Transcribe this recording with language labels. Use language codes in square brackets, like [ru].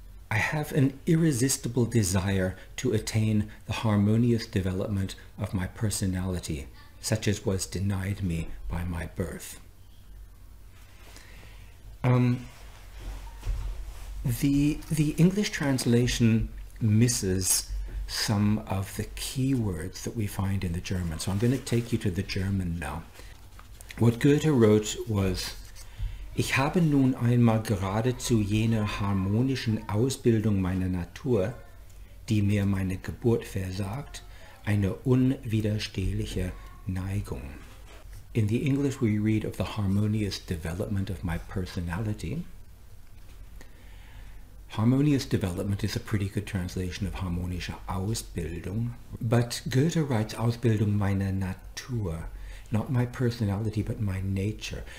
[en] "I have an irresistible desire to attain the harmonious development of my personality, such as was denied me by my birth." The English translation misses some of the key words that we find in the German. So I'm going to take you to the German now. What Goethe wrote was, [de] "Ich habe nun einmal geradezu jener harmonischen Ausbildung meiner Natur, die mir meine Geburt versagt, eine unwiderstehliche Neigung." [en] In the English we read of the harmonious development of my personality. Harmonious development is a pretty good translation of harmonische Ausbildung. But Goethe writes [de] Ausbildung meiner Natur, [en] not my personality, but my nature.